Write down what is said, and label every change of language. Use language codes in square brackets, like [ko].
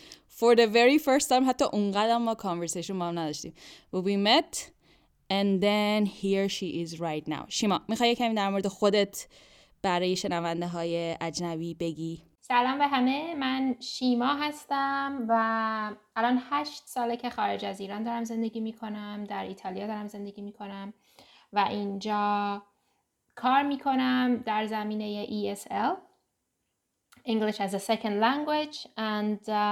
[en] For the very first time [fa] حتی اونقدر ما کانورسیشن با هم نداشتیم. [en] We met and then here she is right now. [fa] شیما میخوای کمی در مورد خودت برای شنونده های اجنبی بگی؟ سلام به همه، من شیما هستم و الان 8 ساله که خارج از ایران دارم زندگی میکنم، در ایتالیا دارم زندگی میکنم و اینجا کار میکنم در زمینه ESL [en] English as a second language and